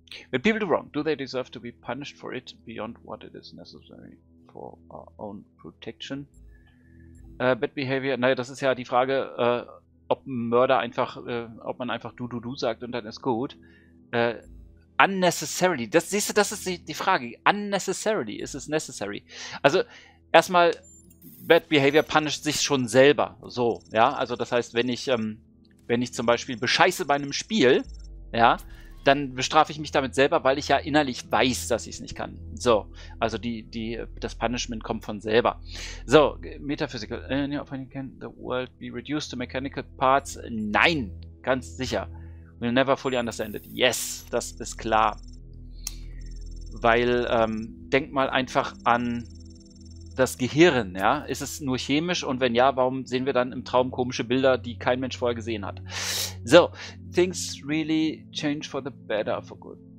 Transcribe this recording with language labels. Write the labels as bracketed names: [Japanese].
[English] When people do wrong, do they deserve to be punished for it beyond what it is necessary for our own protection? [German] Bad behavior, naja, das ist ja die Frage, ob Mörder einfach, ob man einfach du, du, du sagt und dann ist gut. Unnecessarily, das siehst du, das ist die Frage. Unnecessarily, ist es necessary? Also, erstmal, bad behavior punisht sich schon selber, so, ja, also das heißt, wenn ich zum Beispiel bescheiße bei einem Spiel, ja, dann bestrafe ich mich damit selber, weil ich ja innerlich weiß, dass ich es nicht kann. So, also das Punishment kommt von selber. [English] So, metaphysical. Can the world be reduced to mechanical parts? [German] Nein, ganz sicher. [English] We'll never fully understand it. [German] Yes, das ist klar. Weil, denk mal einfach an das Gehirn, ja. Ist es nur chemisch? Und wenn ja, warum sehen wir dann im Traum komische Bilder, die kein Mensch vorher gesehen hat? [English] So, things really change for the better, for good.